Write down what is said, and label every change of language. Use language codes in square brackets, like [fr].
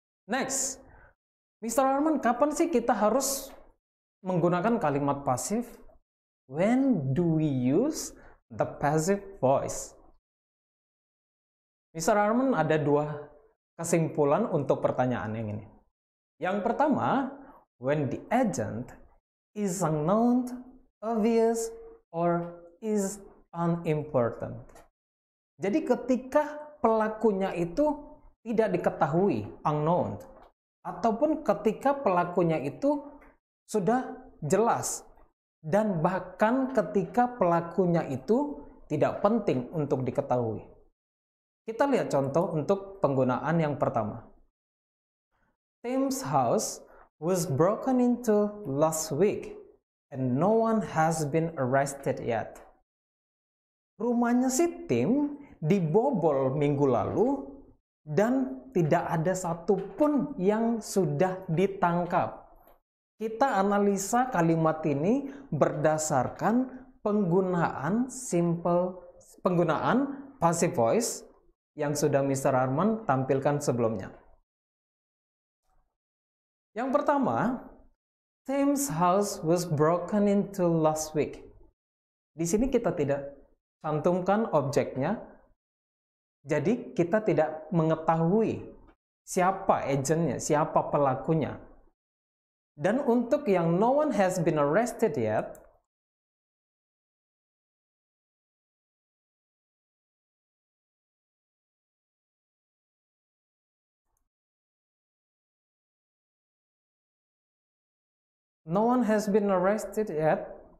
[en] Next. Mr. [id] Arman, kapan sih kita harus menggunakan kalimat pasif? [en] When do we use the passive voice? Mr. [id] Arman, ada dua kesimpulan untuk pertanyaan yang ini. Yang pertama, [en] when the agent is unknown, obvious, or is unimportant. [id] Jadi ketika pelakunya itu tidak diketahui, unknown, ataupun ketika pelakunya itu sudah jelas, dan bahkan ketika pelakunya itu tidak penting untuk diketahui. Kita lihat contoh untuk penggunaan yang pertama. [en] Tim's house was broken into last week and no one has been arrested yet. [id] Rumahnya si Tim dibobol minggu lalu dan tidak ada satupun yang sudah ditangkap. Kita analisa kalimat ini berdasarkan penggunaan simple, penggunaan passive voice yang sudah Mr. Arman tampilkan sebelumnya. Yang pertama, [en] Tim's house was broken into last week. [id] Di sini kita tidak cantumkan objeknya, jadi kita tidak mengetahui siapa agentnya, siapa pelakunya. Dan untuk yang [en] no one has been arrested yet, no one has been arrested yet.